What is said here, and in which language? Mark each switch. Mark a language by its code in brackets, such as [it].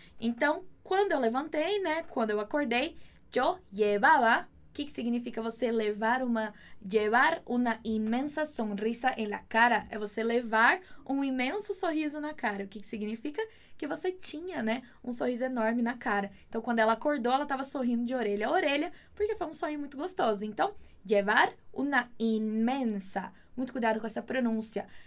[pt] Então, quando eu levantei, né? Quando eu acordei, [es] yo llevaba. [pt] O que significa você levar uma... [es] Llevar una inmensa sonrisa en la cara. [pt] É você levar um imenso sorriso na cara. O que significa? Que você tinha, né? Um sorriso enorme na cara. Então, quando ela acordou, ela tava sorrindo de orelha a orelha, porque foi um sonho muito gostoso. Então, [es] llevar una inmensa. [pt] Muito cuidado com essa pronúncia.